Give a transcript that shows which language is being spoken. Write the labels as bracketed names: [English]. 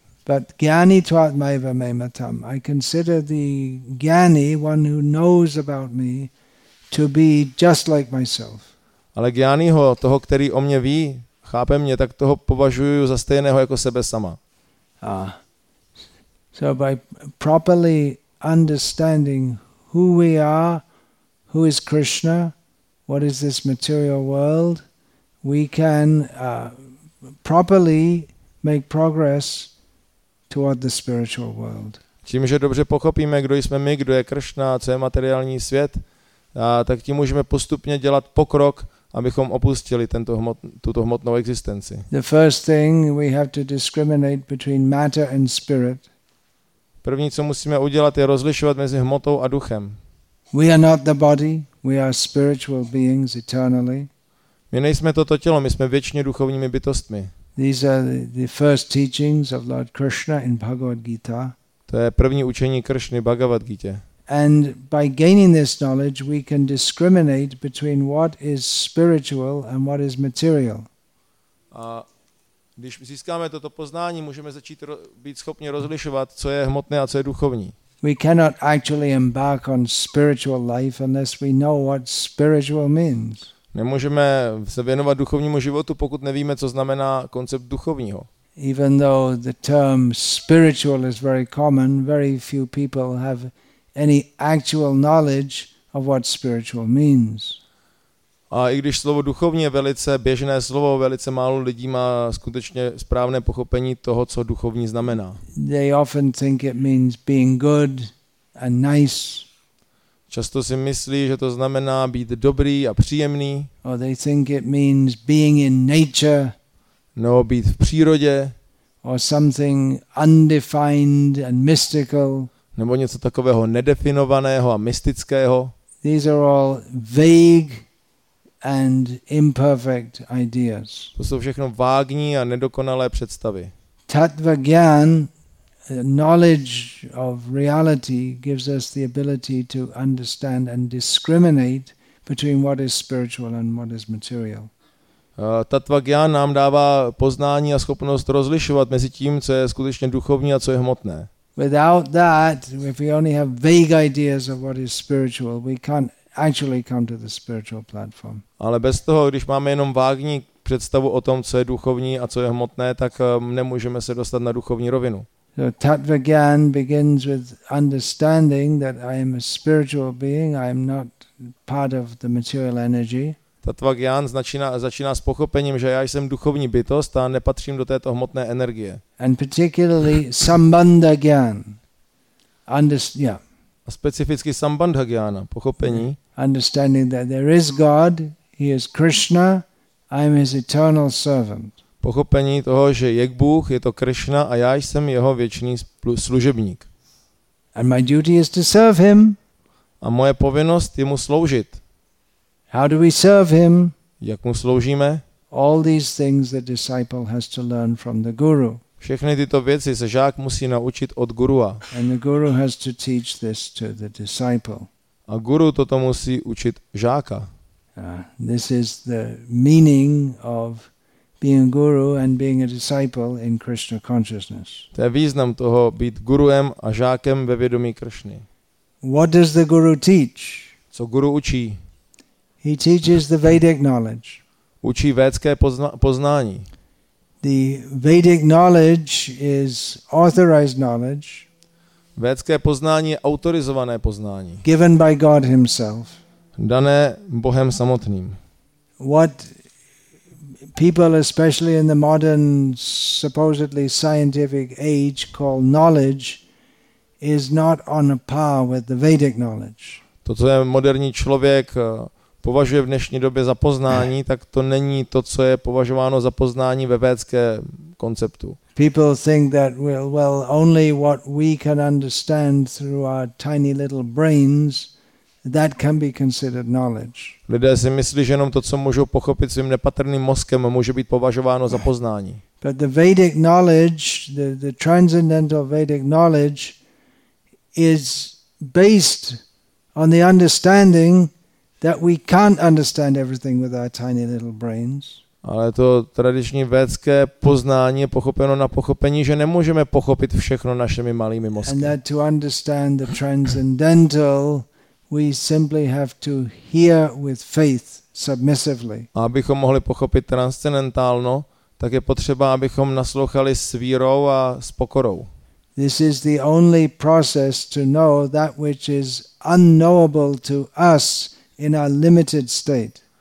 [Sanskrit] But gyani tvatmaiva me matam. [English] I consider the gyani, one who knows about me, to be just like myself. [Czech] Ale gyaniho, toho, který o mě ví, chápe mě, tak toho považuji za stejného jako sebe sama. [English] So by properly understanding who we are, who is Krishna, what is this material world, we can properly make progress toward the spiritual world. [Czech] Tím, že dobře pochopíme, kdo jsme my, kdo je Krishna, co je materiální svět, tak tím můžeme postupně dělat pokrok, abychom opustili tuto hmotnou existenci. [English] The first thing we have to discriminate between matter and spirit. [Czech] První, co musíme udělat, je rozlišovat mezi hmotou a duchem. [English] We are not the body, we are spiritual beings eternally. [Czech] My nejsme toto tělo, my jsme věčně duchovními bytostmi. [English] These are the first teachings of Lord Krishna in Bhagavad Gita. [Czech] To je první učení Kršny v Bhagavad Gita. [English] And by gaining this knowledge, we can discriminate between what is spiritual and what is material. [Czech] A když získáme toto poznání, můžeme začít být schopni rozlišovat, co je hmotné a co je duchovní. [English] We cannot actually embark on spiritual life unless we know what spiritual means. [Czech] Nemůžeme se věnovat duchovnímu životu, pokud nevíme, co znamená koncept duchovního. [English] Even though the term spiritual is very common, very few people have any actual knowledge of what spiritual means. [Czech] A i když slovo duchovní je velice běžné slovo, velice málo lidí má skutečně správné pochopení toho, co duchovní znamená. [English] They often think it means being good and nice. [Czech] Často si myslí, že to znamená být dobrý a příjemný. [English] Or they think it means being in nature. [Czech] No, být v přírodě. [English] Or something undefined and mystical. [Czech] Nebo něco takového nedefinovaného a mystického. [English] These are all vague and imperfect ideas. [Czech] To jsou všechno vágní a nedokonalé představy. [English] Tattva gyan, knowledge of reality, gives us the ability to understand and discriminate between what is spiritual and what is material. [Czech] Tattva gyan nám dává poznání a schopnost rozlišovat mezi tím, co je skutečně duchovní a co je hmotné. [English] Without that, if we only have vague ideas of what is spiritual, we can't actually come to the spiritual platform. [Czech] Ale bez toho, když máme jenom vágní představu o tom, co je duchovní a co je hmotné, tak nemůžeme se dostat na duchovní rovinu. [English] So tattva gyan begins with understanding that I am a spiritual being, I am not part of the material energy. [Czech] Tattva gyan začíná s pochopením, že já jsem duchovní bytost a nepatřím do této hmotné energie. [English] And particularly sambandha gyan. [Czech] Specificky sambandha gyana, pochopení. [English] Understanding that there is God, he is Krishna, I am his eternal servant. [Czech] Pochopení toho, že je Bůh, je to Krishna a já jsem jeho věčný služebník. [English] And my duty is to serve him. [Czech] A moje povinnost je mu sloužit. [English] How do we serve him? [Czech] Jak mu sloužíme? [English] All these things the disciple has to learn from the guru. [Czech] Všechny tyto věci se žák musí naučit od gurua. [English] And the guru has to teach this to the disciple. [Czech] A guru toto musí učit žáka. [English] This is the meaning of being a guru and being a disciple in Krishna consciousness. [Czech] To je význam toho být guruem a žákem ve vědomí Krishny. [English] What does the guru teach? [Czech] Co guru učí? [English] He teaches the Vedic knowledge. [Czech] Učí védské poznání. [English] The Vedic knowledge is authorized knowledge. [Czech] Védské poznání je autorizované poznání. [English] Given by God himself. [Czech] Dané Bohem samotným. [English] What people, especially in the modern supposedly scientific age, call knowledge is not on a par with the Vedic knowledge. [Czech] To, co je moderní člověk považuje v dnešní době za poznání, tak to není to, co je považováno za poznání ve védském konceptu. [English] People think that well only what we can understand through our tiny little brains that can be considered knowledge. [Czech] Lidé si myslí, že jenom to, co můžou pochopit svým nepatrným mozkem, může být považováno za poznání. [English] But the Vedic knowledge, the transcendental Vedic knowledge is based on the understanding that we can't understand everything with our tiny little brains. [Czech] Ale to tradiční védské poznání je pochopeno na pochopení, že nemůžeme pochopit všechno našimi malými mozky. [English] And that to understand the transcendental, we simply have to hear with faith submissively. [Czech] Abychom mohli pochopit transcendentálno, tak je potřeba, abychom naslouchali s vírou a s pokorou. [English] This is the only process to know that which is unknowable to us in our limited state.